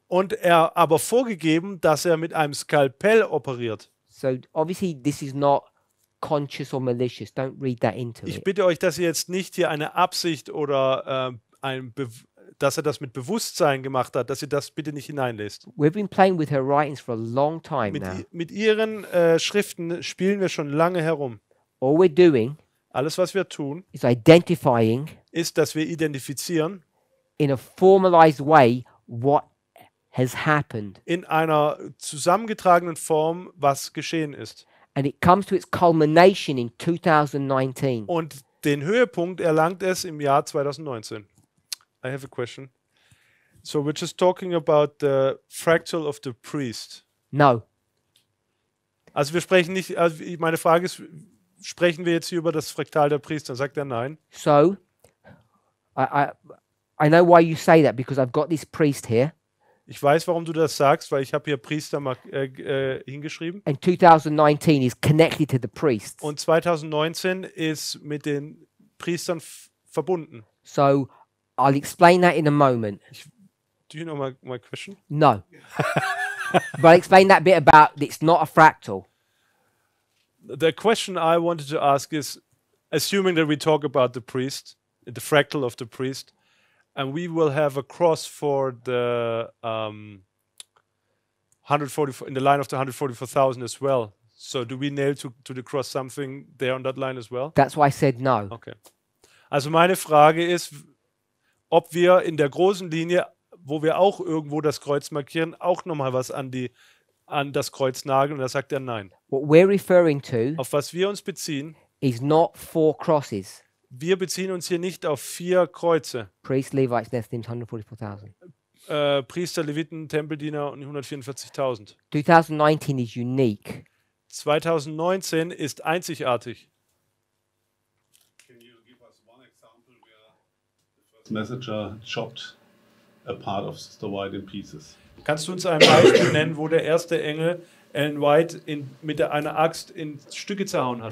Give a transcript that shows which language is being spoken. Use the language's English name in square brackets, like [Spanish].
[German] Und er aber vorgegeben, dass er mit einem Skalpell operiert. [English] So obviously this is not conscious or malicious. Don't read that into it. [German] Ich bitte euch, dass ihr jetzt nicht hier eine Absicht oder dass er das mit Bewusstsein gemacht hat, dass ihr das bitte nicht hineinlässt. [English] We've been playing with her writings for a long time now. [German] Mit ihren Schriften spielen wir schon lange herum. [English] All we're doing, [German] alles was wir tun, [English] is identifying, [German] ist, dass wir identifizieren, [English] in a formalized way, what has happened, [German] in einer zusammengetragenen Form, was geschehen ist. [English] And it comes to its culmination in 2019. [German] Und den Höhepunkt erlangt es im Jahr 2019. [English] I have a question. So we're just talking about the fractal of the priest. No. [German] Also wir sprechen nicht. Also meine Frage ist. Sprechen wir jetzt hier über das Fraktal der Priester? Sagt er nein. [English] So, I know why you say that, because I've got this priest here. [German] Ich weiß, warum du das sagst, weil ich habe hier Priester hingeschrieben. [English] And 2019 is connected to the priests. [German] Und 2019 ist mit den Priestern verbunden. [English] So, I'll explain that in a moment. Do you know my question? No. But I'll explain that bit about it's not a fractal. The question I wanted to ask is, assuming that we talk about the priest, the fractal of the priest, and we will have a cross for the 144 in the line of the 144,000 as well. So do we nail to the cross something there on that line as well? That's why I said no. [German] Okay. Also meine Frage ist, ob wir in der großen Linie wo wir auch irgendwo das Kreuz markieren, auch nochmal was an das Kreuz nageln. Und da sagt er nein. [English] What we're referring to, [German] auf was wir uns beziehen, [English] is not four crosses. [German] Wir beziehen uns hier nicht auf vier Kreuze. [English] Priest, Levites, Nethims, 144,000. [German] Priester, Leviten, Tempeldiener und 144,000. [English] 2019 is unique. [German] 2019 ist einzigartig. [English] Can you give us one example where the messenger chopped a part of Sister White in pieces? [German] Kannst du uns ein Beispiel nennen, wo der erste Engel Ellen White mit einer Axt in Stücke zerhauen hat?